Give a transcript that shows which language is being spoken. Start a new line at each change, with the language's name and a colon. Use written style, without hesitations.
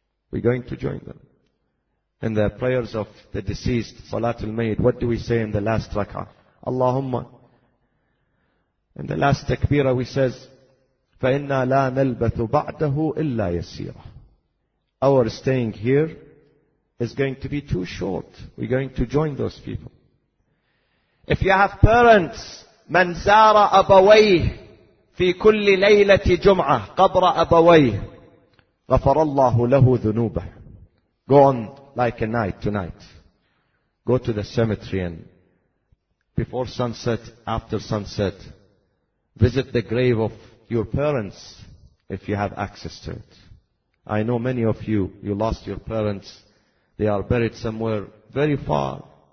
English: We're going to join them. In the prayers of the deceased, Salatul Mayyit, what do we say in the last rak'ah? Allahumma. In the last takbirah we says,
Arabic: فَإِنَّا لَا نَلْبَثُ بَعْدَهُ إِلَّا يَسِيرًا.
English: Our staying here is going to be too short. We're going to join those people. If you have parents,
Arabic: مَنْ زَارَ أَبَوَيْهِ فِي كُلِّ لَيْلَةِ جُمْعَةِ قَبْرَ أَبَوَيْهِ غَفَرَ اللَّهُ لَهُ ذُنُوبَهُ.
English: Go on like a night, tonight. Go to the cemetery and before sunset, after sunset, visit the grave of your parents if you have access to it. I know many of you, you lost your parents. They are buried somewhere very far.